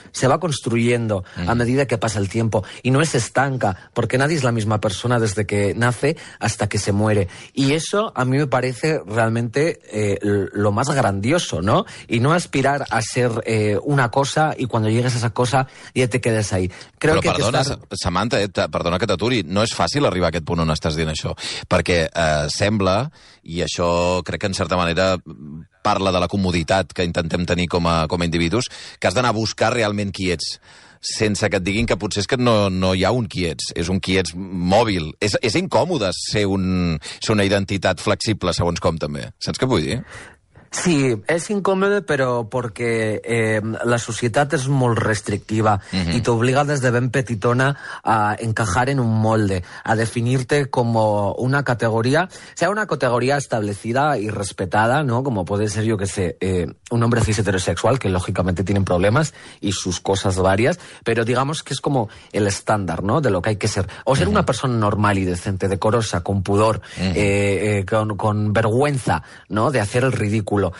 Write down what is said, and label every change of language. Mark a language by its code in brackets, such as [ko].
[es] Se va construyendo a medida que pasa el tiempo, y no es estanca, porque nadie es la misma persona desde que nace hasta que se muere. Y eso a mí me parece realmente lo más grandioso, ¿no? Y no aspirar a ser una cosa y cuando llegues a esa cosa ya te quedes ahí. Creo [ca] Però que perdona, que estar... Samantha, perdona que t'aturi, no és fàcil arribar a aquest punt on estàs dient això, perquè sembla, i això crec que en certa manera parla de la comoditat que intentem tenir com a individus, que has d'anar a buscar realment qui ets, sense que et diguin que potser és que no hi ha un qui ets, és un qui ets mòbil. És incòmode ser una identitat flexible, segons com, també. Saps què vull dir? Sí, és incòmode, però perquè la societat és molt restrictiva i t'obliga des de ben petitona a [es] encajar en un molde, [ca] a definir-te com una categoria, [es] sea una categoria establecida i respetada, [ca] ¿no? [es] Como puede ser, yo que sé, un hombre cis heterosexual, que lógicamente tienen problemas y sus cosas varias, pero digamos que es como el estándar, ¿no? De lo que hay que ser. O ser una persona normal y decente, decorosa, con pudor, con vergüenza, ¿no? De hacer el ridículo.